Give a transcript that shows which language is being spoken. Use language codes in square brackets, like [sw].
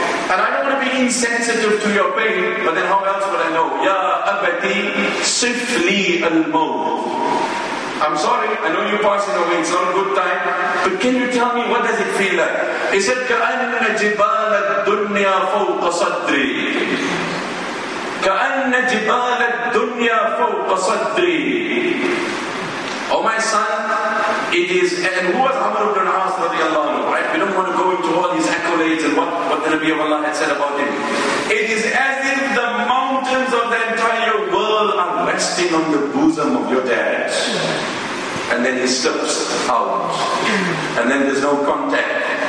[en] And I don't want to be insensitive to your pain, but then how else would I know? [ar] Ya abati sifli al-maw. [en] I'm sorry, I know you're passing away, it's not a good time. But can you tell me what does it feel like?" He said, [ar] "Ka'anna jibal ad-dunya fawqa sadri." كأن جبال الدنيا فوق صدري. [en] Oh my son, it is. And who was Amr ibn al-As radiallahu anhu? Right? We don't want to go into all his accolades and what the Nabi of Allah had said about him. It is as if the mountains of the entire world are resting on the bosom of your dad. And then he steps out, and then there's no contact.